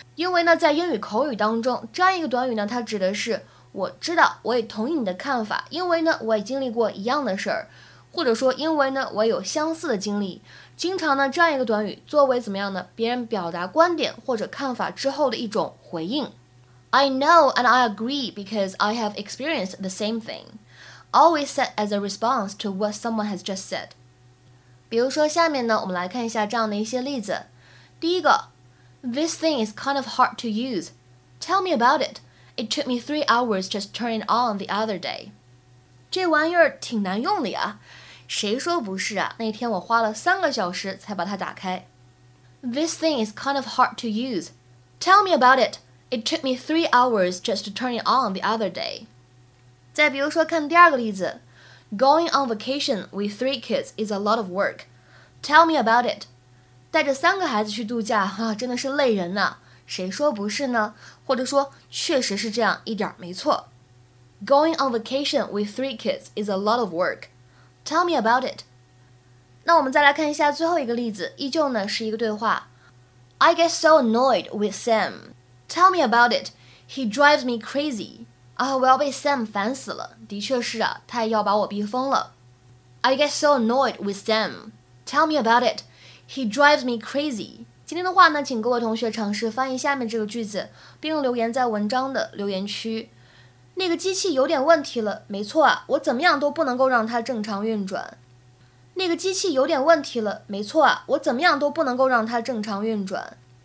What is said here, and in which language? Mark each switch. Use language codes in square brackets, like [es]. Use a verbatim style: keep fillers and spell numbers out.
[zh] 因为呢在英语口语当中，这样一个短语呢它指的是我知道，我也同意你的看法，因为呢我也经历过一样的事儿，或者说因为呢我也有相似的经历。经常呢这样一个短语作为怎么样呢别人表达观点或者看法之后的一种回应。 [en] I know and I agree because I have experienced the same thing. Always said as a response to what someone has just said. [zh] 比如说下面呢，我们来看一下这样的一些例子。第一个 [en] ，This thing is kind of hard to use. Tell me about it. It took me three hours just to turn it on the other day. [zh] 这玩意儿挺难用的呀，谁说不是啊？那天我花了三个小时才把它打开。 [en] This thing is kind of hard to use. Tell me about it. It took me three hours just to turn it on the other day. [zh] 再比如说看第二个例子 [en] Going on vacation with three kids is a lot of work. Tell me about it. [zh] 带着三个孩子去度假、啊、真的是累人呐、啊，谁说不是呢？或者说确实是这样，一点没错。 [en] Going on vacation with three kids is a lot of work. Tell me about it. [zh] 那我们再来看一下最后一个例子，依旧呢是一个对话 [en] I get so annoyed with Sam. Tell me about it. He drives me crazy. [zh] 啊，我要被 Sam 烦死了。的确是啊，他也要把我逼疯了。 [en] I get so annoyed with Sam. Tell me about it. He drives me crazy. [zh] 今天的话呢，请各位同学尝试翻译下面这个句子，并留言在文章的留言区。那个机器有点问题了，没错啊，我怎么样都不能够让它正常运转。那个机器有点问题了，没错啊，我怎么样都不能够让它正常运转。